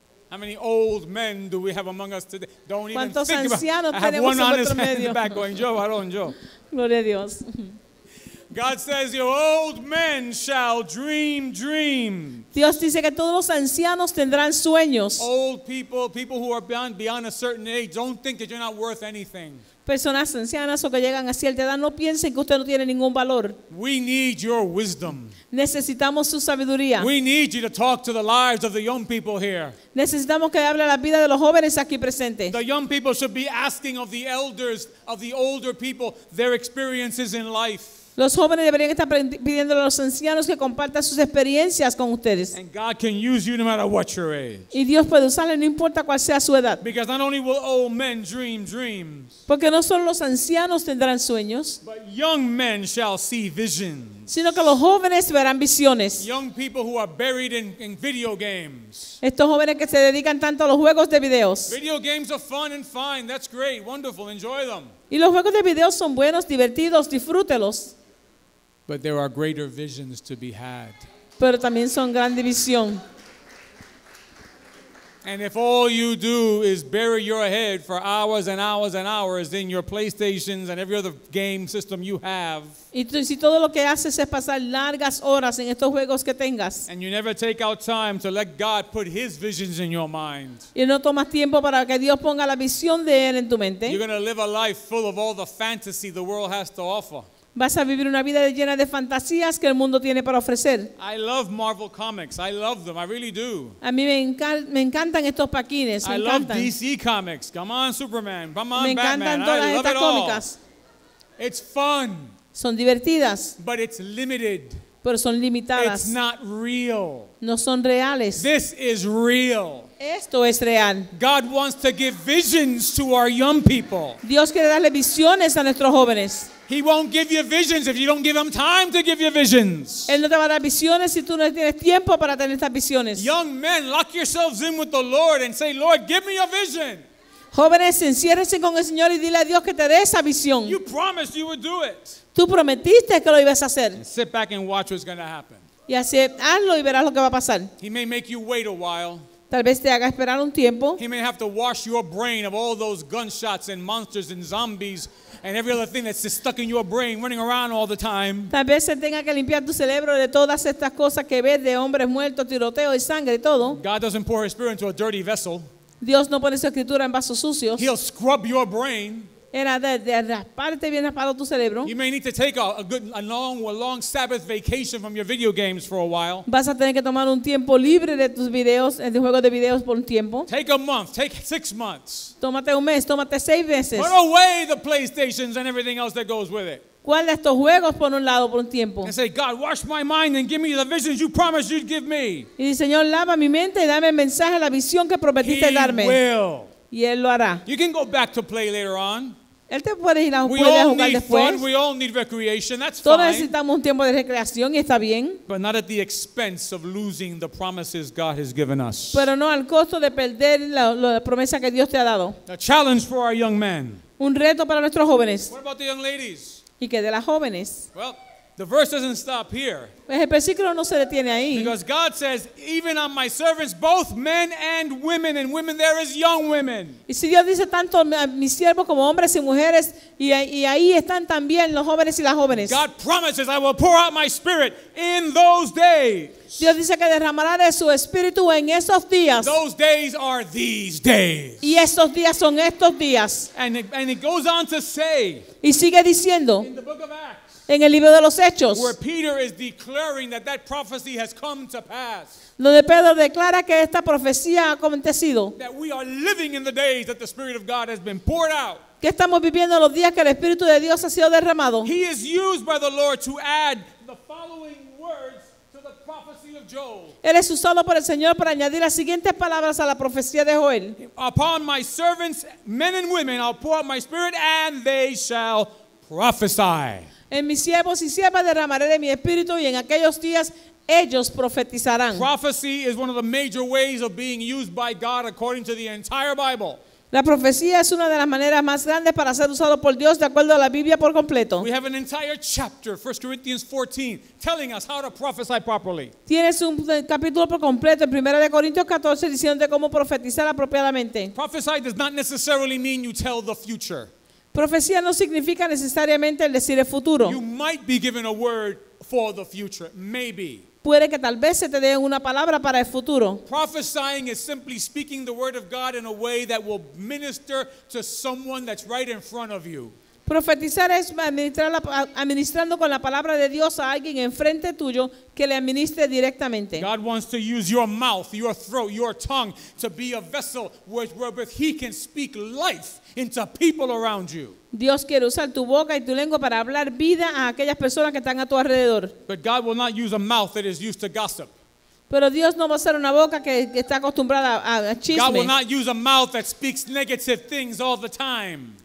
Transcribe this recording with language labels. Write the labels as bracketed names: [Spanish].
[English] How many old men do we have among us today? Don't even [Spanish] ¿cuántos [English] think [Spanish] ancianos [English] about it. I have one honest man in the back going, "Joe, I don't, Joe." [Spanish] Gloria a Dios. [English] God says your old men shall dream dreams. [Spanish] Dios dice que todos los ancianos tendrán sueños. [English] Old people, people who are beyond a certain age, don't think that you're not worth anything. [Spanish] Personas ancianas o que llegan a cierta edad no piensen que usted no tiene ningún valor. [English] We need your wisdom. [Spanish] Necesitamos su sabiduría. [English] We need you to talk to the lives of the young people here. [Spanish] Necesitamos que hable la vida de los jóvenes aquí presentes. [English] The young people should be asking of the elders, of the older people, their experiences in life. [Spanish] Los jóvenes deberían estar pidiendo a los ancianos que compartan sus experiencias con ustedes. [English] And God can use you no matter what your age. [Spanish] Y Dios puede usarle no importa cuál sea su edad. [English] Because not only will old men dream dreams. [Spanish] Porque no solo los ancianos tendrán sueños. [English] But young men shall see visions. [Spanish] Sino que los jóvenes verán visiones. [English] Young people who are buried in video games. [Spanish] Estos jóvenes que se dedican tanto a los juegos de videos. [English] Video games are fun and fine. That's great, wonderful. Enjoy them. [Spanish] Y los juegos de video son buenos, divertidos, disfrútelos. [English] But there are greater visions to be had. [Spanish] Pero también son grandes visiones. [English] And if all you do is bury your head for hours and hours and hours in your PlayStations and every other game system you have. [Spanish] Y si todo lo que haces es pasar largas horas en estos juegos que tengas. [English] And you never take out time to let God put His visions in your mind. [Spanish] Y no tomas tiempo para que Dios ponga la visión de Él en tu mente. [English] You're going to live a life full of all the fantasy the world has to offer. [Spanish] Vas a vivir una vida llena de fantasías que el mundo tiene para ofrecer. [English] I love Marvel Comics. I love them. I really do. [Spanish] A mí me encantan estos paquines. [English] I love DC Comics. Come on, Superman. Come on, Batman. [Spanish] Me encantan todas estas cómicas. [English] It's fun. [Spanish] Son divertidas. [English] But it's limited. [Spanish] Pero son limitadas. [English] It's not real. [Spanish] No son reales. [English] This is real. [Spanish] Esto es real. [English] God wants to give visions to our young people. [Spanish] Dios quiere darle visiones a nuestros jóvenes. [English] He won't give you visions if you don't give him time to give you visions. [Spanish] Él no te va a dar visiones si tú no tienes tiempo para tener estas visiones. [English] Young men, lock yourselves in with the Lord and say, Lord, give me a vision. [Spanish] Jóvenes, enciérrense con el Señor y dile a Dios que te dé esa visión. [English] You promised you would do it. [Spanish] Tú prometiste que lo ibas a hacer. [English] And sit back and watch what's going to happen. [Spanish] Y así, hazlo y verás lo que va a pasar. [English] He may make you wait a while. [Spanish] Tal vez te haga esperar un tiempo. [English] He may have to wash your brain of all those gunshots and monsters and zombies and every other thing that's just stuck in your brain running around all the time. [Spanish] Tal vez se tenga que limpiar tu cerebro de todas estas cosas que ves de hombres muertos, tiroteo y sangre y todo. [English] God doesn't pour His Spirit into a dirty vessel. [Spanish] Dios no pone su escritura en vasos sucios. [English] He'll scrub your brain. You may need to take a long Sabbath vacation from your video games for a while. [Spanish] Vas a tener que tomar un tiempo libre de tus videos, de juegos de videos por un tiempo. [English] Take a month. Take 6 months. [Spanish] Tómate un mes. Tómate 6 meses. [English] Put away the PlayStations and everything else that goes with it. [Spanish] ¿Cuál de estos juegos por un lado por un tiempo? [English] And say, God, wash my mind and give me the visions you promised you'd give me. [Spanish] Y dice, Señor, lava mi mente y dame el mensaje, la visión que prometiste darme. [English] He will. [Spanish] Y él lo hará. [English] You can go back to play later on. [Spanish] Él te puede ir a [English] we [Spanish] puede [English] all [Spanish] jugar [English] need [Spanish] después. [English] Fun, we all need recreation, that's [Spanish] todos Todos necesitamos un tiempo de recreación y está bien. [English] But not at the expense of losing the promises God has given us. [Spanish] Pero no al costo de perder la promesa que Dios te ha dado. [English] A challenge for our young men. [Spanish] Un reto para nuestros jóvenes. [English] What about the young ladies? [Spanish] ¿Y qué de las jóvenes? [English] Well, the verse doesn't stop here. [Spanish] Pues el versículo no se detiene ahí. [English] Because God says, even on my servants, both men and women there is young women. [Spanish] Y si Dios dice tanto a mis siervos como hombres y mujeres, y ahí están también los jóvenes y las jóvenes. [English] God promises, I will pour out my spirit in those days. [Spanish] Dios dice que derramará de su espíritu en esos días. [English] Those days are these days. [Spanish] Y esos días son estos días. [English] And it goes on to say, [Spanish] y sigue diciendo, [English] in the book of Acts, [Spanish] en el libro de los Hechos, [English] where Peter is declaring that that prophecy has come to pass, [Spanish] donde Pedro declara que esta profecía ha acontecido, [English] that we are living in the days that the Spirit of God has been poured out, [Spanish] que estamos viviendo los días que el Espíritu de Dios ha sido derramado. [English] He is used by the Lord to add the following words to the prophecy of Joel. [Spanish] Él es usado por el Señor para añadir las siguientes palabras a la profecía de Joel. [English] Upon my servants, men and women, I'll pour out my Spirit, and they shall prophesy. [Spanish] En mis siervos y siervas derramaré de mi espíritu y en aquellos días ellos profetizarán. [English] Prophecy is one of the major ways of being used by God according to the entire Bible. [Spanish] La profecía es una de las maneras más grandes para ser usado por Dios de acuerdo a la Biblia por completo. [English] We have an entire chapter, 1 Corinthians 14, telling us how to prophesy properly. [Spanish] Tienes un capítulo por completo en 1 Corintios 14 diciéndote cómo profetizar apropiadamente. [English] Prophesy does not necessarily mean you tell the future. [Spanish] Profecía no significa necesariamente el decir el futuro. [English] You might be given a word for the future, maybe. [Spanish] Puede que tal vez se te dé una palabra para el futuro. [English] Prophesying is simply speaking the word of God in a way that will minister to someone that's right in front of you. [Spanish] Profetizar es administrando con la palabra de Dios a alguien enfrente tuyo que le administre directamente. [English] God wants to use your mouth, your throat, your tongue to be a vessel wherewith he can speak life into people around you. [Spanish] Dios quiere usar tu boca y tu lengua para hablar vida a aquellas personas que están a tu alrededor. [English] But God will not use a mouth that is used to gossip. [Spanish] Pero Dios no va a ser una boca que está acostumbrada a chisme. [English] God will not use a mouth that speaks negative things all the time.